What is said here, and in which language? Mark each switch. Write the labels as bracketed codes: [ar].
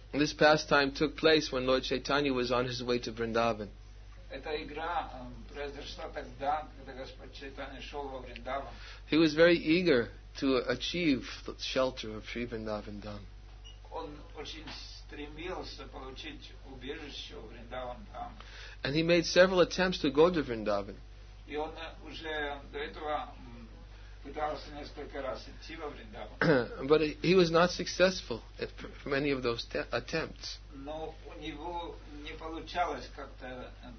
[en] This pastime took place when Lord Chaitanya was on his way to Vrindavan. [ru] Эта игра произошла тогда, когда Господь Чайтанья шел во Вриндаван. [en] He was very eager to achieve the shelter of Sri Vrindavan Dham. [ru] Он очень стремился получить убежище в Вриндаван Дхам. [en] And he made several attempts to go to Vrindavan. [ru] И он уже до этого пытался несколько раз идти во Вриндаван. [en] But he was not successful at many of those attempts. [ru] Но у него не получалось как-то